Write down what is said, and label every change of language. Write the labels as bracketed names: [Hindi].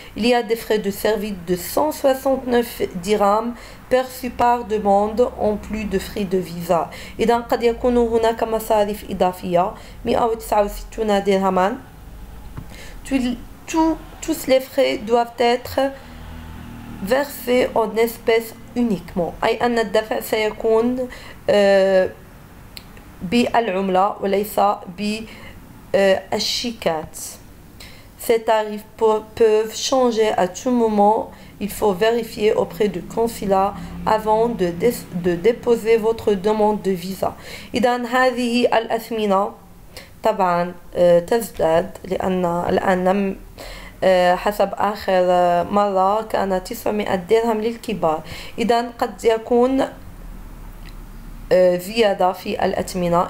[French] Il y a des frais de service de 169 dirhams perçus par demande en plus de frais de visa. [Arabic] إذا قد يكون هناك مصاريف إضافية 169 درهما. [French] Tous les frais doivent être versés en espèces uniquement. [Arabic] أي أن الدفع سيكون بالعملة وليس بالشيكات. [French] Ces tarifs peuvent changer à tout moment. Il faut vérifier auprès du consulat avant de déposer votre demande de visa. [Arabic] إذن هذه الأثمنة طبعا تزداد لأن الآن حسب آخر مرة كانت 900 درهم للكبار. إذن قد يكون زيادة في الأثمنة.